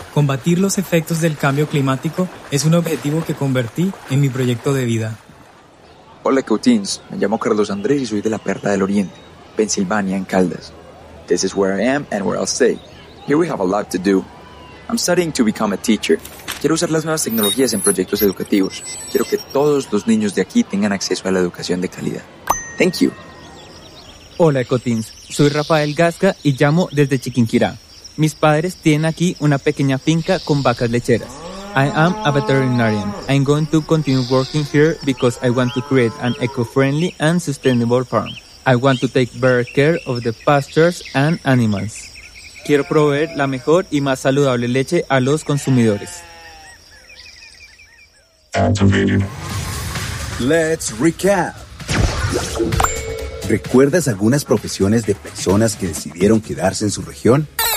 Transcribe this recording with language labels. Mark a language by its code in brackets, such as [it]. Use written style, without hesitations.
[es] Combatir los efectos del cambio climático es un objetivo que convertí en mi proyecto de vida. Hola, EcoTeens. Me llamo Carlos Andrés y soy de la Perla del Oriente, Pensilvania, en Caldas. [en] This is where I am and where I'll stay. Here we have a lot to do. I'm studying to become a teacher. [es] Quiero usar las nuevas tecnologías en proyectos educativos. Quiero que todos los niños de aquí tengan acceso a la educación de calidad. [en] Thank you. [es] Hola, EcoTeens. Soy Rafael Gasca y llamo desde Chiquinquirá. Mis padres tienen aquí una pequeña finca con vacas lecheras. [en] I am a veterinarian. I'm going to continue working here because I want to create an eco-friendly and sustainable farm. I want to take better care of the pastures and animals. [es] Quiero proveer la mejor y más saludable leche a los consumidores. [en] Let's recap. [es] ¿Recuerdas algunas profesiones de personas que decidieron quedarse en su región?